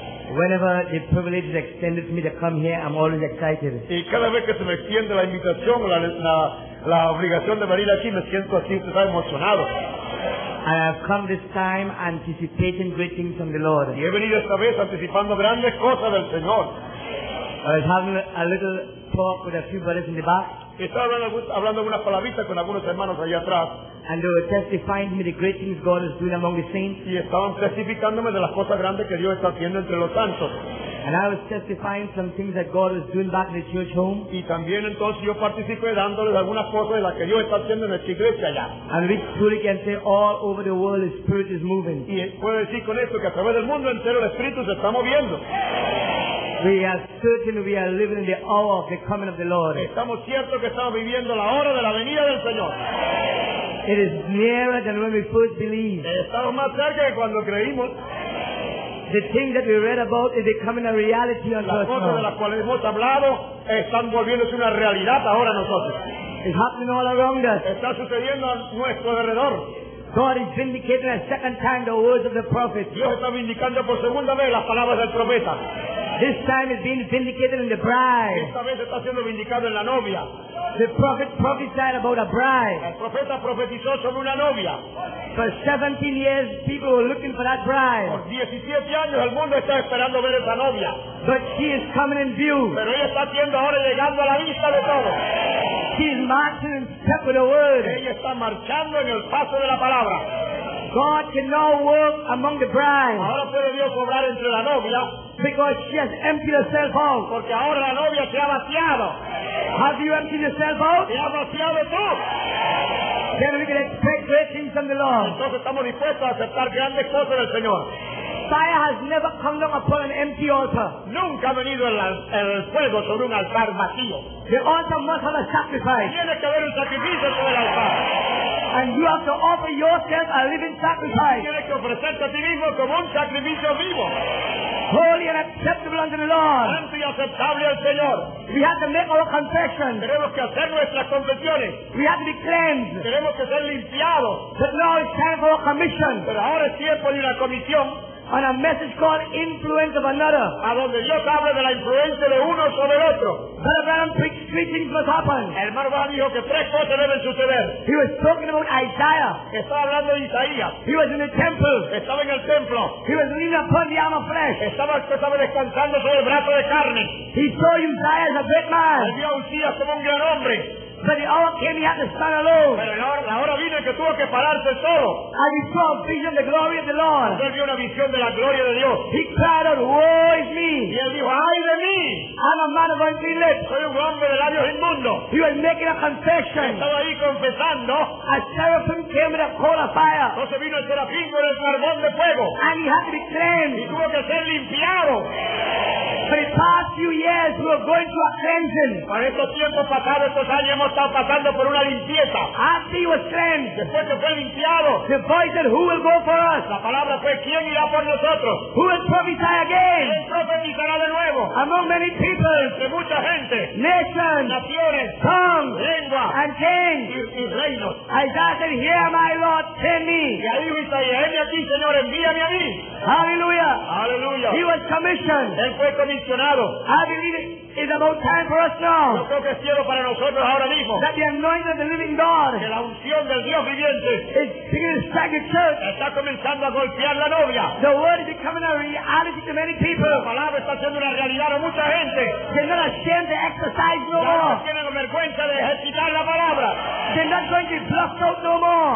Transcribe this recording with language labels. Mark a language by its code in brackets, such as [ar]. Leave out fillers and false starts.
[en] Whenever the privilege is extended to me to come here, I'm always excited. [es] Y cada vez que se me extiende la invitación, la obligación de venir aquí, me siento así, se está emocionado. [en] I have come this time anticipating great things from the Lord. [es] Y he venido esta vez anticipando grandes cosas del Señor. [en] I was having a little talk with a few brothers in the back. [es] Estaba hablando algunas palabritas con algunos hermanos allá atrás. [en] And they were testifying to me the great things God is doing among the saints. [es] Y estaban testificándome de las cosas grandes que Dios está haciendo entre los santos. [en] And I was testifying some things that God is doing back in the church home. [es] Y también entonces yo participé dándoles algunas cosas de las que Dios está haciendo en esta iglesia allá. [en] And we truly can say all over the world the Spirit is moving. [es] Y puedo decir con esto que a través del mundo entero el Espíritu se está moviendo. [en] We are certain we are living in the hour of the coming of the Lord. [es] Estamos ciertos que estamos viviendo la hora de la venida del Señor. [en] It is nearer than when we first believed. [es] Estamos más cerca que cuando creímos. [en] The thing that we read about is becoming a reality on us. [es] Las cosas de las cuales hemos hablado están volviéndose una realidad ahora nosotros. [en] It's happening all around us. [es] Está sucediendo a nuestro alrededor. [en] God is vindicating a second time the words of the prophet. [es] Dios está vindicando por segunda vez las palabras del profeta. [en] This time is being vindicated in the bride. [es] Esta vez está siendo vindicado en la novia. [en] The prophet prophesied about a bride. [es] El profeta profetizó sobre una novia. [en] For 17 years, people were looking for that bride. [es] Por 17 años, el mundo está esperando ver esa novia. [en] But she is coming in view. [es] Pero ella está siendo ahora llegando a la vista de todos. [en] She's marching in step with the word. [es] Ella está marchando en el paso de la palabra. [en] God can now work among the bride. [es] Ahora puede Dios obrar entre la novia. [en] Because she has emptied herself out. [es] Porque ahora la novia se ha vaciado. [en] Have you emptied yourself out? [es] Se ha vaciado tú. [en] Then we can expect great things from the Lord. [es] Entonces estamos dispuestos a aceptar grandes cosas del Señor. [en] Fire has never come down upon an empty altar. [es] Nunca ha venido el fuego sobre un altar vacío. [en] The altar must have a sacrifice. [es] Tiene que haber un sacrificio sobre el altar. [en] And you have to offer yourself a living sacrifice. [es] Tienes que ofrecerte a ti mismo como un sacrificio vivo. [en] Holy and acceptable unto the Lord. [es] Santo y aceptable al Señor. [en] We have to make our confession. [es] Tenemos que hacer nuestras confesiones. [en] We have to be cleansed. [es] Tenemos que ser limpiados. [en] But now it's time for a commission. [es] Pero ahora es tiempo de una comisión. [en] On a message called influence of another. [es] A donde Dios habla de la influencia de uno sobre el otro. [en] But Abraham preached three things must happen. [es] El hermano Abraham dijo que tres cosas deben suceder. [en] He was talking about Isaiah. [es] Estaba hablando de Isaías. [en] He was in the temple. [es] Estaba en el templo. [en] He was leaning upon the arm of flesh. [es] Estaba descansando sobre el brazo de carne. [en] He saw Isaiah as a great man. [es] Él vio a Isaías como un gran hombre. [en] But the hour came, he had to stand alone. [es] Pero la hora vino que tuvo que pararse solo. [en] And he saw a vision of the glory of the Lord. [es] Él vio una visión de la gloria de Dios. [en] He cried out, woe is me. [es] Y él dijo, ay de mí. [en] I'm a man of unclean lips. [es] Soy un hombre de labios inmundos. [en] He was making a confession. [es] Estaba ahí confesando. [en] A seraphim came with a coal of fire. [es] Entonces vino el serafín con el carbón de fuego. [en] And he had to be cleansed. [es] Y tuvo que ser limpiado. [en] For the past few years, we were going through a cleansing. [es] Para estos tiempos pasados, estos años hemos estado pasando por una limpieza. [en] After he was cleansed, [es] después que fue limpiado, [en] the voice said, "Who will go for us?" [es] La palabra fue, ¿quién irá por nosotros? [en] Who will prophesy again? [es] ¿Quién profetizará de nuevo? [en] Among many people, [es] entre mucha gente, [en] nations, [es] naciones, [en] tongues, [es] lengua, [en] and kings, [es] y reinos. [en] Isaiah said, "Hear my Lord, send me." [es] Y ahí dijo Isaías, "Heme aquí, Señor, envíame a mí." [en] Hallelujah. [es] Hallelujah. [en] He was commissioned. [es] Él fue comisionado. [en] I believe it. It's about time for us now. [es] Yo creo que es tiempo para nosotros ahora mismo. [en] That the anointing of the living God. [es] Que la unción del Dios viviente. [en] Is beginning to strike the church. [es] Está comenzando a golpear la novia. [en] The word is becoming a reality to many people. [es] La palabra está siendo una realidad a mucha gente. [en] They're not ashamed to exercise no [es] ya [en] more. [es] Ya no tienen vergüenza de ejercitar la palabra. [en] They're not going to be bluffed out no more.